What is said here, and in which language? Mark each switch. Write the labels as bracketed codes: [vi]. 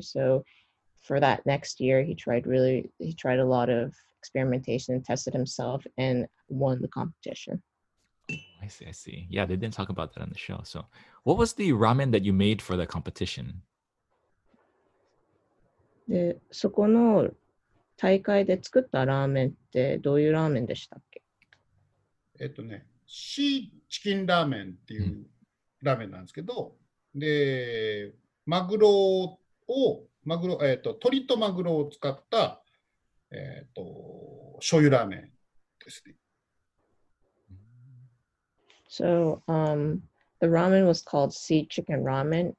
[en] So for that next year, he tried a lot of experimentation and tested himself and won the competition. I see. Yeah, they didn't talk about that on the show. So what was the ramen that you made for the competition? [ja] So 大会で作ったラーメンってどういうラーメンでしたっけ？シーチキンラーメンっていうラーメンなんですけど、で、マグロを、マグロ、鶏とマグロを使った、醤油ラーメンですね。 [en] So, the ramen was called sea chicken ramen.